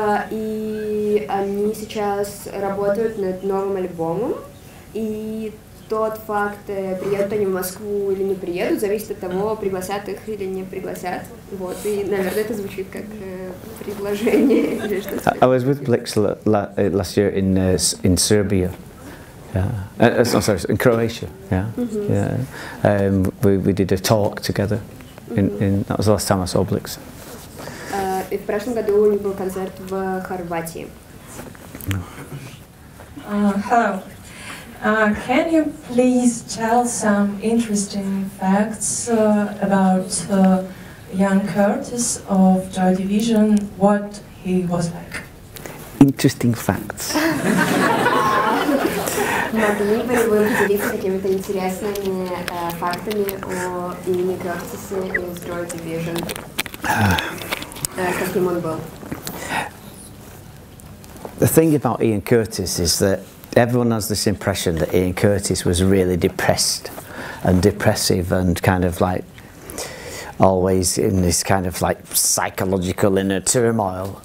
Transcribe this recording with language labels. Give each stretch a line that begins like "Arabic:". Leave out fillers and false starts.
Russian: И они сейчас работают над новым альбомом. И тот факт, приедут они в Москву или не приедут, зависит от того, пригласят их или не пригласят. Вот, и, наверное, это звучит как предложение или что-то.
English: I was with Blix last year in Serbia. Yeah, sorry, in Croatia. Yeah, mm-hmm. Yeah. We did a talk together. In that was the last time I saw Blix.
Russian: В прошлом году у него был концерт в Хорватии.
English: Hello. Can you please tell some interesting facts about Иэне Кёртисе of Joy Division? What he was like? Interesting facts.
Russian: Могли бы вы поделиться какими-то интересными фактами о Иэне Кёртисе из Joy Division? Каким он был?
English: The thing about Иэне Кёртисе is that everyone has this impression that Иэне Кёртисе was really depressed and depressive and kind of like always in this kind of like psychological inner turmoil.